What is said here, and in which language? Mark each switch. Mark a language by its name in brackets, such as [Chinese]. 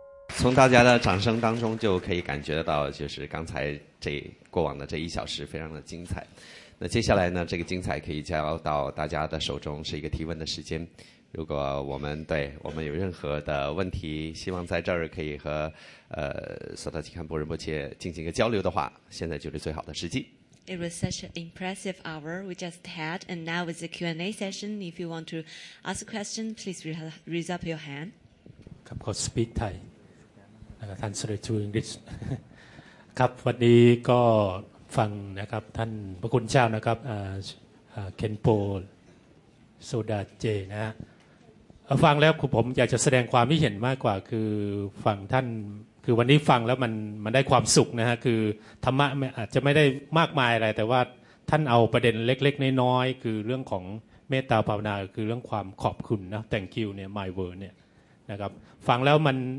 [Chinese] 从大家的掌声当中就可以感觉到，就是刚才这过往的这一小时非常的精彩。那接下来呢，这个精彩可以交到大家的手中，是一个提问的时间。如果我们对我们有任何的问题，希望在这儿可以和索达吉堪布仁波切进行一个交流的话，现在就是最好的时机。 [English] It was such an impressive hour we just had, and now is a Q&A session. If you want to ask a question, please raise up your hand. Of course, speak Thai. Translate to English. [Thai] ครับ วันนี้ ก็ ฟัง นะ ครับ ท่าน พระคุณ เจ้า นะ ครับ Khenpo Sodargye นะ ฟัง แล้ว ผม อยาก จะ แสดง ความ ที่ เห็น มาก กว่า คือ ฟัง ท่านคือวันนี้ฟังแล้วมันได้ความสุขนะฮะคือธรรมะอาจจะไม่ได้มากมายอะไรแต่ว่าท่านเอาประเด็นเล็กๆน้อยๆคือเรื่องของเมตตาภาวนาคือเรื่องความขอบคุณนะ [English] thank you [Thai] เนี่ย [English] my word [Thai] เนี่ยนะครับฟังแล้วมัน